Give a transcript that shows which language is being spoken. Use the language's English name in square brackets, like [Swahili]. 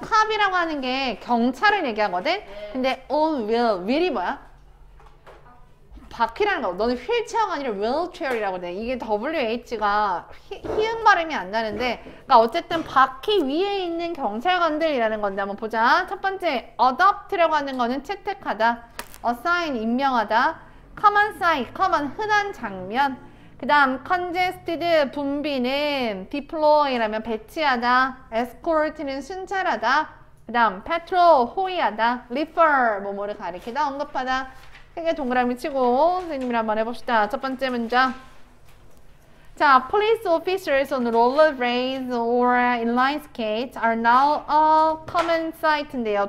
[Korean] Cop이라고 하는 게 경찰을 얘기하거든? 근데 on wheel, wheel이 뭐야? 바퀴라는 거. 너는 휠체어가 아니라 wheelchair이라고 돼. 이게 WH가 히읗 발음이 안 나는데. 그러니까 어쨌든 바퀴 위에 있는 경찰관들이라는 건데 한번 보자. 첫 번째, adopt라고 하는 거는 채택하다. assign, 임명하다. common sight, common, 흔한 장면. 그 다음 congested 분비는 deploy라면 배치하다, escort는 순찰하다, 그 다음 patrol 호위하다, refer 뭐뭐를 가리키다, 언급하다. 크게 동그라미 치고 선생님이랑 한번 해봅시다. 첫 번째 문장. [English] 자, police officers on rollerblades or inline skates are now all common sight인데요.